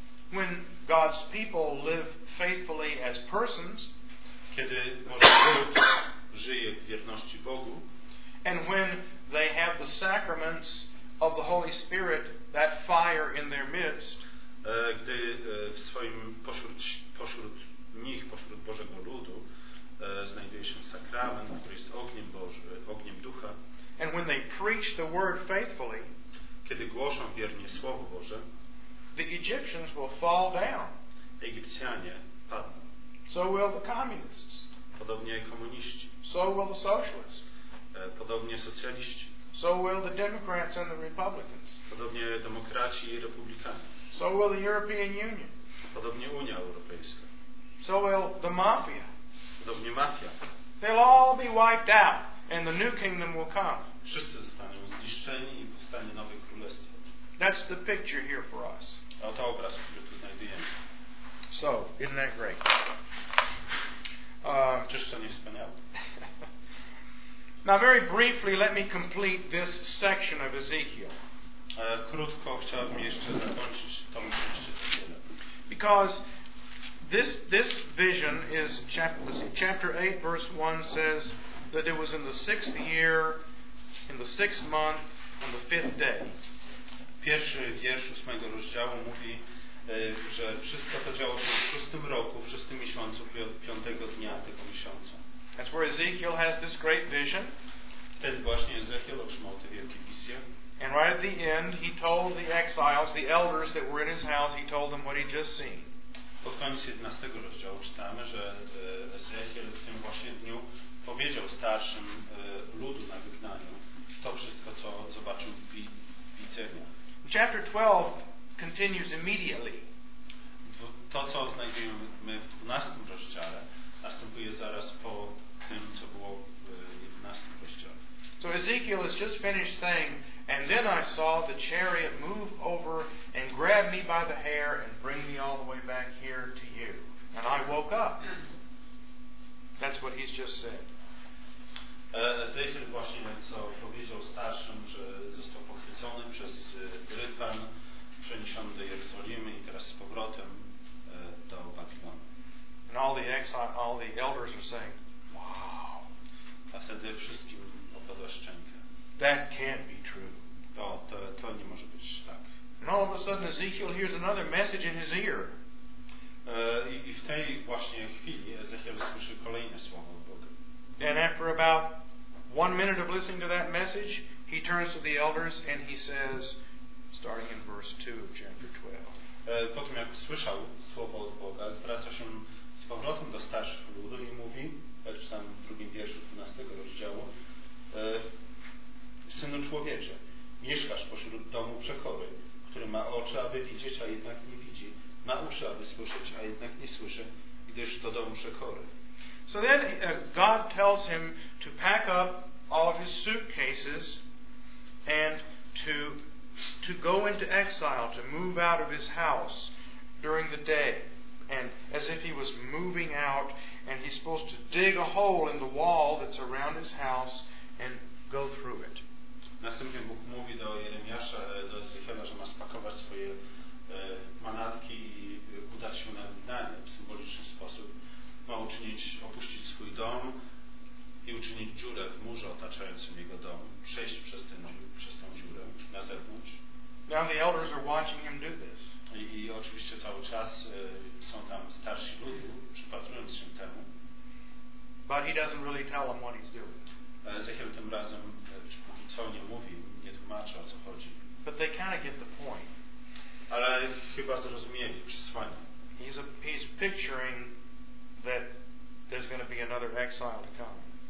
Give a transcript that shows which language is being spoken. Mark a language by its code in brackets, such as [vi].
[en] When God's people live faithfully as persons, [pl] kiedy Boży lud żyje w wierności Bogu, [en] and when they have the sacraments of the Holy Spirit, that fire in their midst, [pl] gdy w swoim pośród nich, pośród Bożego ludu, znajduje się sakrament, który jest ogniem Boży, ogniem Ducha, [en] and when they preach the word faithfully, [pl] kiedy głoszą wiernie Słowo Boże, [en] the Egyptians will fall down. [pl] Egipcjanie padną. [en] So will the communists. [pl] Podobnie komuniści. [en] So will the socialists. [pl] Podobnie socjaliści. [en] So will the Democrats and the Republicans. [pl] Podobnie demokraci i republikanie. [en] So will the European Union. [pl] Podobnie Unia Europejska. [en] So will the mafia. [pl] Podobnie mafia. [en] They'll all be wiped out and the new kingdom will come. [pl] Wszyscy zostaną zniszczeni i powstanie nowe królestwo. [en] That's the picture here for us. [pl] Oto obraz, który tu znajdujemy. [en] So, isn't that great? [pl] Czyż to nie wspaniałe? [en] Now very briefly, let me complete this section of Ezekiel. [pl] Krótko chciałbym jeszcze zakończyć tą część Ezekiela. [en] Because this vision is chapter 8, verse 1 says that it was in the sixth year, in the sixth month, on the fifth day. [pl] Pierwszy wiersz ósmego rozdziału mówi, że wszystko to działo się w szóstym roku, w szóstym miesiącu, piątego dnia tego miesiąca. [en] That's where Ezekiel has this great vision. [pl] Wtedy właśnie Ezekiel otrzymał tę wielką wizję. [en] And right at the end, he told the exiles, the elders that were in his house, he told them what he'd just seen. [pl] Pod koniec 11 rozdziału czytamy, że Ezekiel w tym właśnie dniu powiedział starszym ludu na wygnaniu to wszystko, co zobaczył w widzeniu. [en] Chapter 12 continues immediately. [pl] To, co znajdujemy w 12 rozdziale, następuje zaraz po tym, co było w 11 rozdziale. [en] So Ezekiel has just finished saying, and then I saw the chariot move over and grab me by the hair and bring me all the way back here to you. And I woke up. That's what he's just said. [pl] Ezekiel właśnie, co powiedział starszym, że został pochwycony przez rytwan, przeniesiony do Jerozolimy i teraz z powrotem do Babilonu. [en] And all the exiles, all the elders are saying, wow. [pl] A wtedy wszystkim opadła szczęka. [en] That can't be true. [pl] To nie może być tak. [en] And all of a sudden Ezekiel hears another message in his ear. [pl] I w tej właśnie chwili Ezekiel słyszy kolejne słowo od Boga. [en] And after about 1 minute of listening to that message, he turns to the elders and he says, starting in verse 2 of chapter 12. [pl] Po tym jak słyszał słowo od Boga, zwraca się z powrotem do starszych ludu i mówi, czytam w drugim wierszu 12 rozdziału, synu człowiecze, mieszkasz pośród domu przekory, który ma oczy, aby widzieć, a jednak nie widzi, ma uszy, aby słyszeć, a jednak nie słyszy, gdyż to dom przekory. [en] So then God tells him to pack up all of his suitcases and to go into exile, to move out of his house during the day, and as if he was moving out, and he's supposed to dig a hole in the wall that's around his house and go through it. [pl] Następnie Bóg mówi do Jeremiasza, do Ezechiela, że ma spakować swoje manatki i udać się na wygnanie w symboliczny sposób. Ma opuścić swój dom i uczynić dziurę w murze otaczającym jego dom. Przejść przez tę dziurę na zewnątrz. [en] Now the elders are watching him do this. [pl] I oczywiście cały czas są tam starsi ludzie, przypatrując się temu. [en] But he doesn't really tell them what he's doing. [pl] Ezechiel tym razem, czy póki co, nie mówi, nie tłumaczy, o co chodzi. [en] But they kind of get the point. [pl] Ale chyba zrozumieli przesłanie. [en] He's picturing that there's going to be another exile to come.